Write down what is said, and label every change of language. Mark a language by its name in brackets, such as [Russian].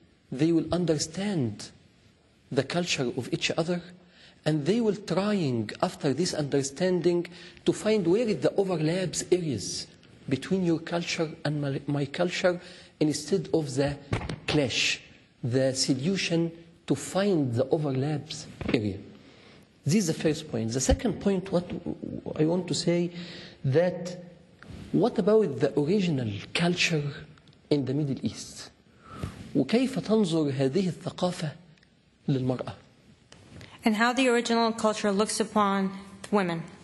[English] They will understand the culture of each other, and they will trying after this understanding to find where the overlaps areas between your culture and my culture, instead of the clash, the solution to find the overlaps area. This is the first point. The second point, what I want to say, that what about the original culture in the Middle East? [Arabic] وكيف تنظر هذه الثقافة للمرأة? [English] And how the original culture looks upon women.